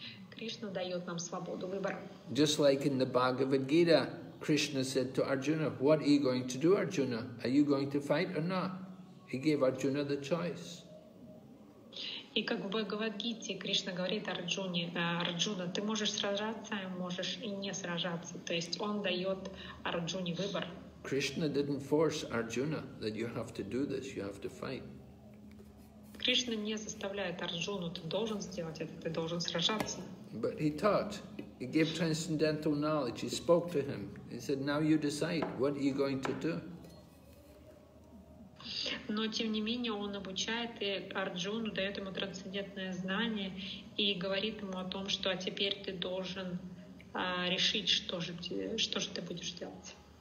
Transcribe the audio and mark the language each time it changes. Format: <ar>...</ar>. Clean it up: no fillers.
<ru>Кришна дает нам свободу выбора.</ru> <en>Just like in the Bhagavad Gita, Krishna said to Arjuna, "What are you going to do, Arjuna? Are you going to fight or not?" He gave Arjuna the choice.</en> <ru>И как в Бхагавад-гите Кришна говорит Арджуне, Арджуна, ты можешь сражаться, можешь и не сражаться. То есть он дает Арджуне выбор.</ru> <en>Krishna didn't force Arjuna that you have to do this, you have to fight.</en> <ru>Кришна не заставляет Арджуну, ты должен сделать это, ты должен сражаться.</ru> <en>But he taught. He gave transcendental knowledge. He spoke to him. He said, "Now you decide. What are you going to do?"</en> <ru>Но тем не менее он обучает и Арджуну, дает ему трансцендентное знание и говорит ему о том, что теперь ты должен решить, что же ты будешь делать.</ru>